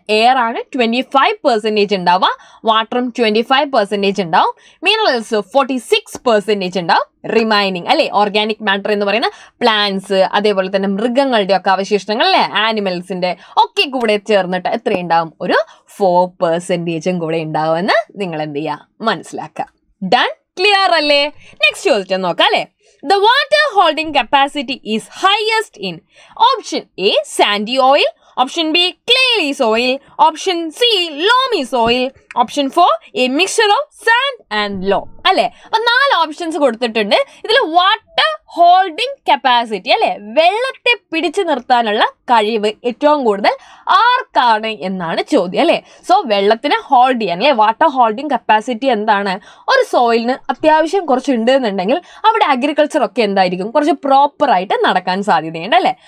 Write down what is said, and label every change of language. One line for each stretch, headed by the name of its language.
Malayalam: Air ആണ് 25% ഉണ്ടാവുക, വാട്ടറും 25% ഉണ്ടാവും, മിനറൽസ് 46% ഉണ്ടാവും, റിമൈനിങ്, അല്ലേ, ഓർഗാനിക് മാറ്റർ എന്ന് പറയുന്ന പ്ലാന്റ്സ്, അതേപോലെ തന്നെ മൃഗങ്ങളുടെ ഒക്കെ അവശിഷ്ടങ്ങൾ, അല്ലേ, ആനിമൽസിന്റെ ഒക്കെ കൂടെ ചേർന്നിട്ട് എത്രയുണ്ടാവും, ഒരു 4% കൂടെ ഉണ്ടാവുമെന്ന് നിങ്ങൾ എന്ത് ചെയ്യുക, മനസ്സിലാക്കുക. ഡൺ, ക്ലിയർ അല്ലേ? നെക്സ്റ്റ് ചോദിച്ചാൽ നോക്കാം, അല്ലേ?
English: The water holding capacity is highest in option A, sandy soil, option B, clayey soil, option C, loamy soil, option 4, a mixture of sand and loam.
Malayalam: അല്ലേ, അപ്പൊ 4 ഓപ്ഷൻസ് കൊടുത്തിട്ടുണ്ട്. ഇതിൽ വാട്ടർ ഹോൾഡിംഗ് കപ്പാസിറ്റി, അല്ലെ, വെള്ളത്തെ പിടിച്ചു നിർത്താനുള്ള കഴിവ് ഏറ്റവും കൂടുതൽ ആർക്കാണ് എന്നാണ് ചോദ്യം, അല്ലെ? സോ വെള്ളത്തിനെ ഹോൾഡ് ചെയ്യാൻ, അല്ലെ, വാട്ടർ ഹോൾഡിംഗ് കപ്പാസിറ്റി എന്താണ്, ഒരു സോയിലിന് അത്യാവശ്യം കുറച്ചുണ്ട് എന്നുണ്ടെങ്കിൽ അവിടെ അഗ്രികൾച്ചർ ഒക്കെ എന്തായിരിക്കും, കുറച്ച് പ്രോപ്പറായിട്ട് നടക്കാൻ സാധ്യതയുണ്ട്, അല്ലെ?